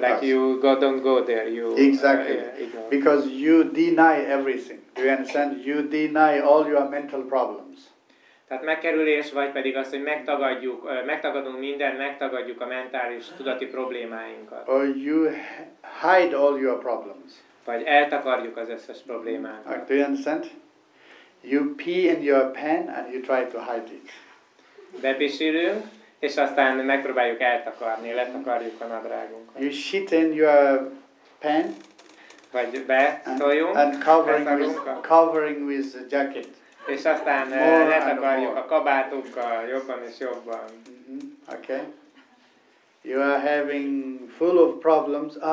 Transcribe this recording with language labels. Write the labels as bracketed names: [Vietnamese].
[English] Like you go, don't go there. You exactly. Because you deny everything. Do you understand? You deny all your mental problems. [Hungarian] Tehát megkerülés, vagy pedig az, hogy megtagadunk minden, megtagadjuk a mentális, tudati problémáinkat. [English] Or you hide all your problems. [Hungarian] Vagy eltakarjuk az összes problémát. [English] Do you understand? You pee in your pen and you try to hide it. [Hungarian] Bepisilünk. És aztán megpróbáljuk eltakarni, letakarjuk a nadrágunkat. [English] You shit in your pen. [Hungarian] Vagy betoljunk. [English] And covering with a jacket. [Hungarian] És aztán letakarjuk a kabátunkkal jobban és jobban. [English] Mm-hmm. Okay. You are having full of problems.